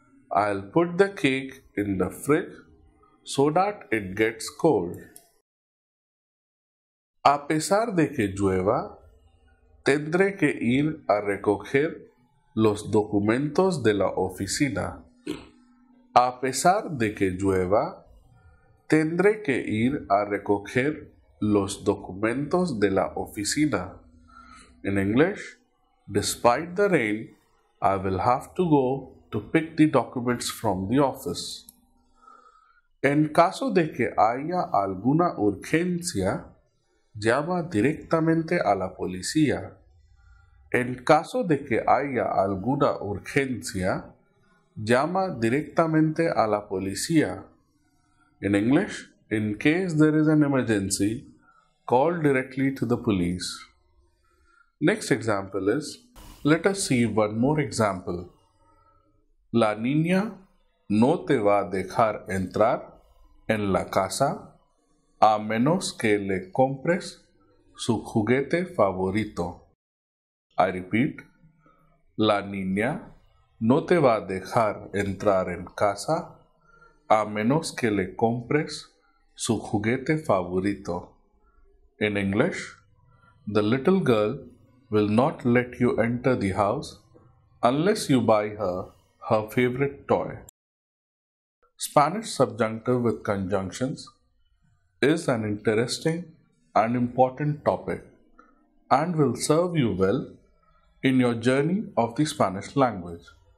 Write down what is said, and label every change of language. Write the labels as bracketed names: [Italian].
[English] I'll put the cake in the fridge so that it gets cold. [Spanish] A pesar de que llueva, tendré que ir a recoger los documentos de la oficina. A pesar de que llueva, tendré que ir a recoger los documentos de la oficina. [English] In English, despite the rain, I will have to go to pick the documents from the office. [Spanish] En caso de que haya alguna urgencia, llama directamente a la policía. En caso de que haya alguna urgencia, llama directamente a la policía. [English] In English, in case there is an emergency, call directly to the police. Next example is, let us see one more example. [Spanish] La niña no te va a dejar entrar en la casa a menos que le compres su juguete favorito. [English] I repeat, [Spanish] la niña no te va a dejar entrar en casa a menos que le compres su juguete favorito. [English] In English, the little girl will not let you enter the house unless you buy her favorite toy. Spanish subjunctive with conjunctions is an interesting and important topic and will serve you well in your journey of the Spanish language.